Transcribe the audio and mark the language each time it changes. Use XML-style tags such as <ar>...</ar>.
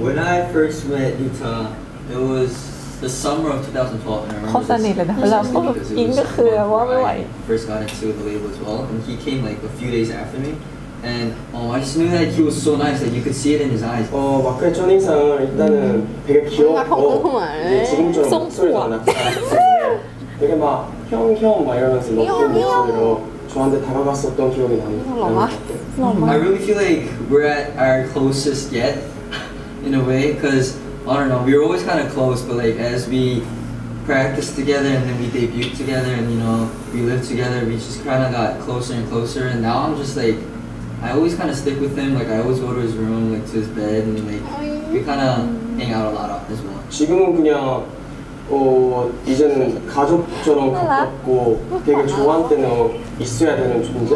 <en>When I first met Utah it was the summer of 2012 and I remember this because it was the summer where I first got into the label as well and he came like a few days after meAnd I just knew that he was so nice that you could see it in his eyes.</en> <ko>Oh, 와카의 첫 인상은 일단은 되게 귀엽고 지금 좀 소리도 안 났다. 되게 막 형 막 이러면서 높은 목소리로 저한테 다가갔었던 기억이 나는.</ko> <en>I really feel like we're at our closest yet, in a way, because I don't know, we were always kind of close, but like as we practiced together and then we debuted together and you know we lived together, we just kind of got closer and closer, and now I'm just like. I always kind of stick with him, like I always go to his room, like to his bed, and like we kind of hang out a lot as well.</en> <ko>지금은 그냥 이제는 가족처럼 가깝고 되게 좋아할 때는 있어야 되는 존재.</ko>